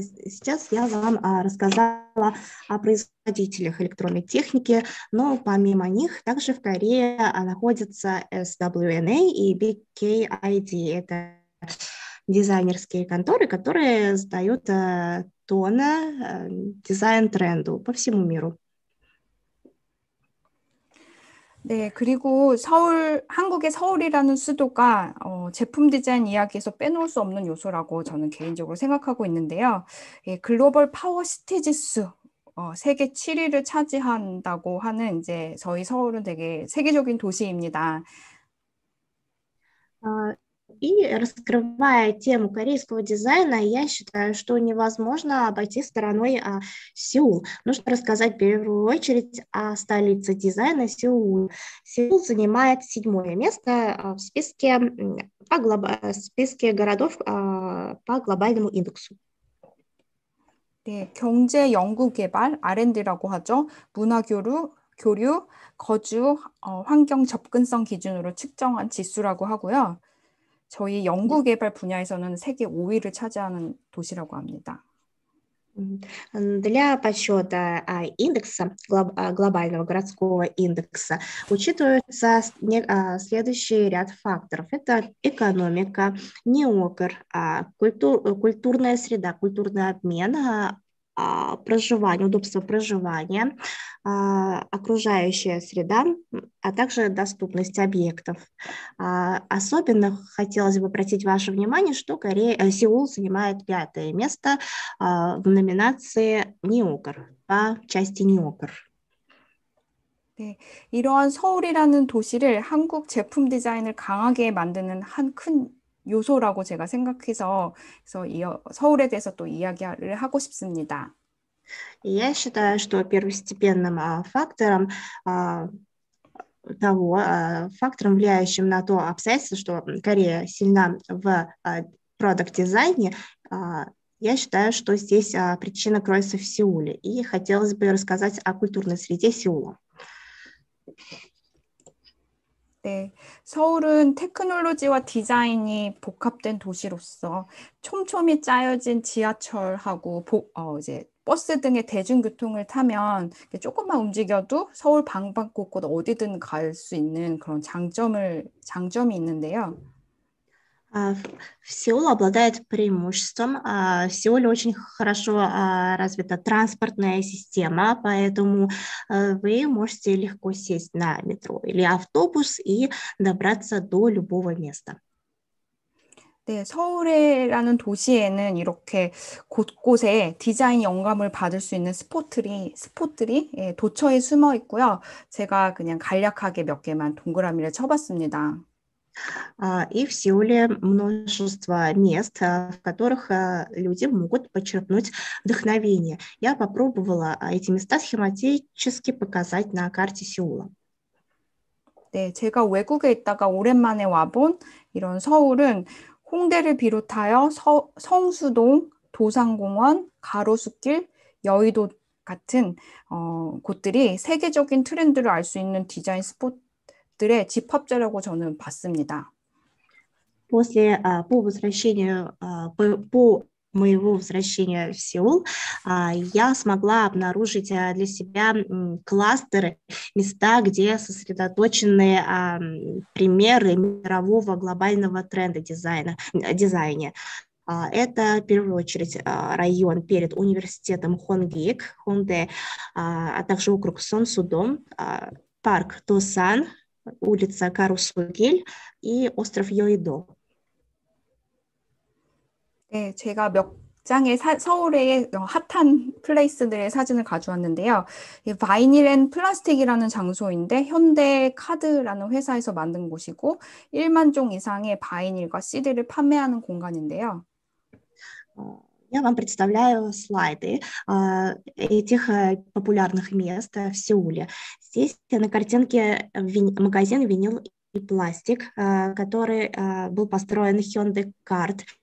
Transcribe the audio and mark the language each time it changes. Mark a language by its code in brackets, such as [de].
[ru] Сейчас я вам рассказала о производителях электронной техники, но помимо них также в Корее находятся SWNA и BKID. Это дизайнерские конторы, которые сдают тон дизайн-тренду по всему миру. [ko] 네, 그리고 한국의 서울이라는 수도가 제품 디자인 이야기에서 빼놓을 수 없는 요소라고 저는 개인적으로 생각하고 있는데요. 예, 글로벌 파워 시티지수 세계 7위를 차지한다고 하는 이제 저희 서울은 되게 세계적인 도시입니다. [ru] И раскрывая тему корейского дизайна, я считаю, что невозможно обойти стороной Сеул. Нужно рассказать в первую очередь о столице дизайна Сеул. Сеул занимает седьмое место в списке городов по глобальному индексу. [ko] 네, 경제 연구 개발 R&D라고 하죠. 문화 교류, 거주, 환경 접근성 기준으로 측정한 지수라고 하고요. 저희 연구 개발 분야에서는 세계 5위를 차지하는 도시라고 합니다. [ru] Для подсчета индекса, глобального городского индекса, учитываются следующий ряд факторов. Это экономика, неокр, культурная среда, культурный обмен, проживание, удобство проживания, окружающая среда, а также доступность объектов. Особенно хотелось бы обратить ваше внимание, что Сеул занимает пятое место в номинации НИОКР, по части НИОКР. [ko] 네, 이러한 서울이라는 도시를 한국 제품 디자인을 강하게 만드는 한큰 요소라고 제가 생각해서 그래서 서울에 대해서 또 이야기를 하고 싶습니다. [ru] Я считаю, что первостепенным фактором, влияющим на то обстоятельство, что Корея сильна в продакт-дизайне, я считаю, что здесь причина кроется в Сеуле. И хотелось бы рассказать о культурной среде Сеула. [ko] 네, 서울은 테크놀로지와 디자인이 복합된 도시로서 촘촘히 짜여진 지하철하고 이제 버스 등의 대중교통을 타면 조금만 움직여도 서울 방방곡곡 어디든 갈 수 있는 그런 장점이 있는데요. [ru] Сеул обладает преимуществом. Сеуле очень хорошо развита транспортная система, поэтому вы можете легко сесть на метро или автобус и добраться до любого места. [ko] 네, 서울이라는 도시에는 이렇게 곳곳에 디자인 영감을 받을 수 있는 스포트들이 예, 도처에 숨어 있고요. 제가 그냥 간략하게 몇 개만 동그라미를 쳐봤습니다. [ru] И в Сеуле множество мест, в которых люди могут почерпнуть вдохновение. Я попробовала эти места схематически показать на карте Сеула. [ko] 네, 제가 외국에 있다가 오랜만에 와본 이런 서울은 홍대를 비롯하여 성수동, 도산공원, 가로수길, 여의도 같은 곳들이 세계적인 트렌드를 알 수 있는 디자인 스포트 들의 집합자라고 저는 봤습니다. [ru] После по возвращению по моего возвращения в Сеул я смогла обнаружить для себя кластеры, места, где сосредоточены примеры мирового глобального тренда дизайна. Это в первую очередь район перед университетом Хонгик, Хонде, а также округ Сонсудом, парк Тосан, улица Карусугиль и остров Йойдо. [ko] 네, 제가 몇 장의 서울의 핫한 플레이스들의 사진을 가져왔는데요. 바이닐 앤 플라스틱이라는 장소인데 현대 카드라는 회사에서 만든 곳이고 1만 종 이상의 바이닐과 CD를 판매하는 공간인데요. [ru] Я вам представляю слайды этих популярных мест в Сеуле. Здесь на картинке магазин винил и пластик, который был построен Hyundai Card.